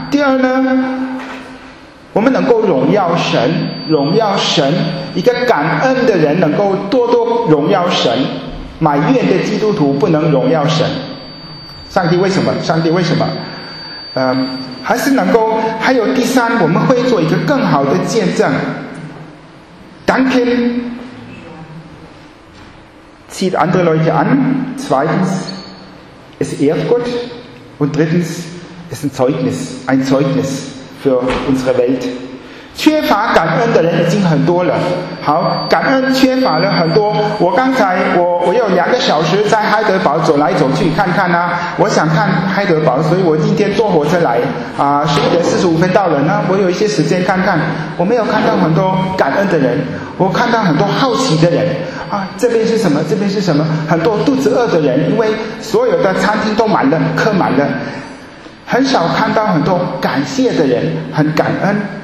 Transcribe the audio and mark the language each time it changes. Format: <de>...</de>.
<zh>第二呢，我们能够荣耀神，荣耀神，一个感恩的人能够多多荣耀神，埋怨的基督徒不能荣耀神，上帝为什么？上帝为什么？还是能够，还有第三，我们会做一个更好的见证。</zh> <de>Danke, zieht andere Leute an. Zweitens, es ehrt Gott. Und drittens, ist ein Zeugnis für unsere Welt.</de> <zh>缺乏感恩的人已经很多了。好，感恩缺乏了很多。我刚才我有两个小时在海德堡走来走去看看啊，我想看海德堡，所以我今天坐火车来啊，11:45到了，那我有一些时间看看，我没有看到很多感恩的人，我看到很多好奇的人啊，这边是什么，这边是什么，很多肚子饿的人，因为所有的餐厅都满了，客满了，很少看到很多感谢的人，很感恩。</zh>